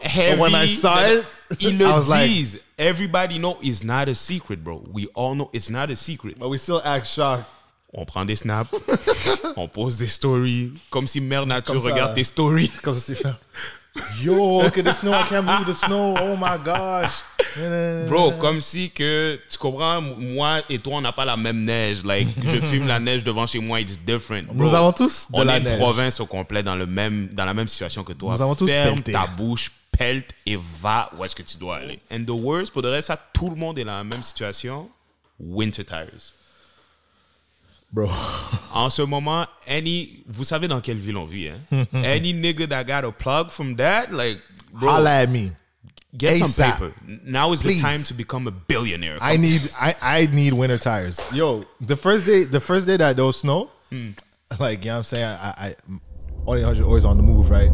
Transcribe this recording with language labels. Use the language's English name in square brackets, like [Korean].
[English] Heavy, but when I saw it, I was geez, like, everybody know it's not a secret, bro. We all know it's not a secret. But we still act shocked. [French] On prend des snaps. On pose des stories. Comme si Mère Nature regarde tes stories. Comme si, [English] yo, look at the snow. I can't believe the snow. Oh my gosh. [French] Bro, comme si que, tu comprends, moi et toi, on n'a pas la même neige. [English] Like, [French] je filme la neige devant chez moi, [English] it's different. Bro, [French] nous avons tous de la neige. On est une province au complet dans la même situation que toi. Nous avons tous ferme pelté. Ta bouche, pelte et va où est-ce que tu dois aller. [English] And the worst, [French] pour de reste, tout le monde est dans la même situation, [English] winter tires. Bro. [French] En ce moment, vous savez dans quelle ville on vit, hein? [English] Any nigga that got a plug from that, like, bro. Holla at me. Get ASAP. Some paper. Now is Please. The time to become a billionaire. Come I need winter tires. Yo, the first day that there was snow, like, you know what I'm saying? I'm always on the move, right?